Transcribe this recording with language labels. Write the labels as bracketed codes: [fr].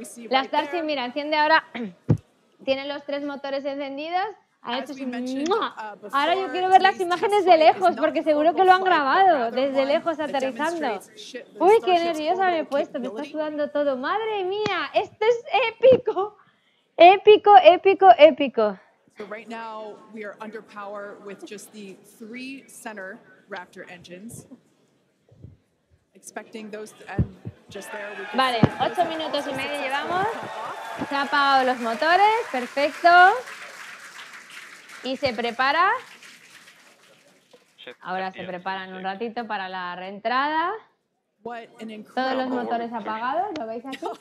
[es] La Starship, mira, enciende ahora. Tiene los tres motores encendidos. Ahora yo quiero ver las imágenes de lejos porque seguro que lo han grabado desde lejos aterrizando. Uy, qué nerviosa me he puesto, me está sudando todo. ¡Madre mía! ¡Esto es épico! ¡Épico, épico, épico! [en] So right now we are under power with just the three center Raptor engines. Expecting those and just there we can. [es] Vale, 8 minutos y medio llevamos. Se ha apagado los motores, perfecto. Y se prepara. Ahora se preparan un ratito para la reentrada. Todos los motores apagados, ¿lo veis aquí?